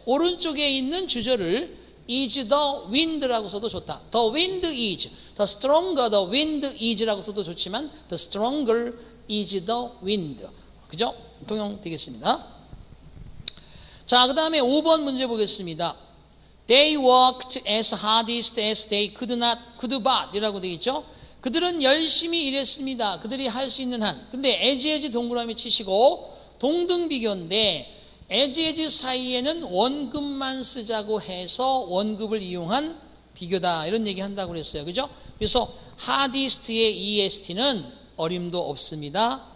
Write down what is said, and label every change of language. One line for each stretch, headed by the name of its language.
Korean: 오른쪽에 있는 주저를 is the wind 라고 써도 좋다.
English: The wind is, the stronger the wind is 라고 써도 좋지만 the stronger is the wind. 그죠?
Korean: 통용되겠습니다. 자, 그 다음에 5번 문제 보겠습니다.
English: They worked as hardest as they could not, could but 이라고 되어있죠.
Korean: 그들은 열심히 일했습니다. 그들이 할 수 있는 한. 근데 as 동그라미 치시고 동등 비교인데 as 사이에는 원급만 쓰자고 해서 원급을 이용한 비교다. 이런 얘기 한다고 그랬어요. 그죠? 그래서 hardest의 est는 어림도 없습니다.